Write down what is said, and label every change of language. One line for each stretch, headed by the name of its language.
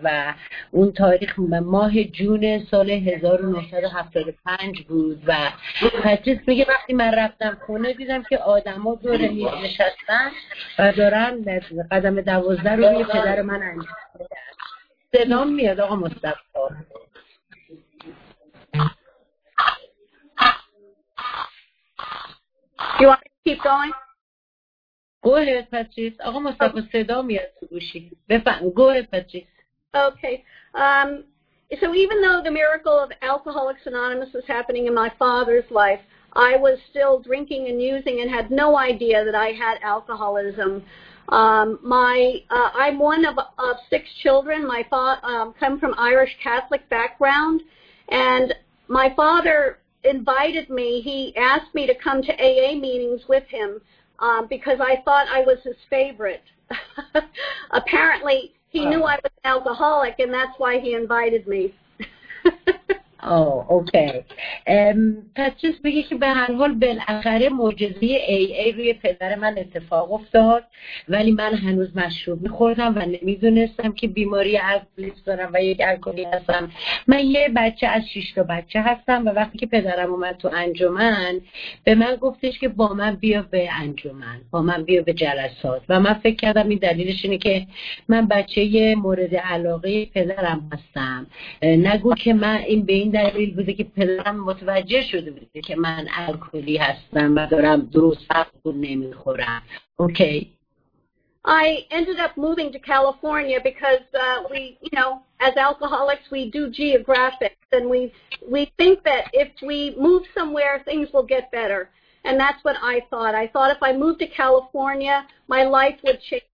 Persian: و اون تاریخ ماه جون سال 1975 بود و پچیس میگه وقتی من رفتم خونه دیدم که آدم ها دور میز نشستن و دارن قدم 12 رو روی پدر من انجام میدن. سلام میاد آقا مصطفی.
English: You want to keep going? Go ahead, Patrice.
Persian: آقا مصطفی صدا میاد تو گوشی. بفهم.
English: Go ahead, Patrice. Okay. So even though the miracle of Alcoholics Anonymous was happening in my father's life, I was still drinking and using and had no idea that I had alcoholism. I'm one of six children. My father come from Irish Catholic background, and my father invited me. He asked me to come to AA meetings with him because I thought I was his favorite. Apparently, he knew I was an alcoholic, and that's why he invited me.
Persian: آه اوکی. پاتریس میگه که به هر حال بالاخره معجزه AA روی پدر من اتفاق افتاد، ولی من هنوز مشروب میخوردم و نمیدونستم که بیماری الکلیست دارم و یک الکلی هستم. من یه بچه از 6 تا بچه هستم و وقتی که پدرم اومد تو انجمن به من گفتش که با من بیا به انجمن، با من بیا به جلسات، و من فکر کردم این دلیلش اینه که من بچه مورد علاقه پدرم هستم. نگو که من این به این دلیل بوده که پدرم متوجه شده بوده که من الکلی هستم و دارم درست خوب نمیخورم. اوکی.
English: I ended up moving to California because we, you know, as alcoholics we do geographics and we think that if we move somewhere things will get better. And that's what I thought. I thought if I moved to California my life would change.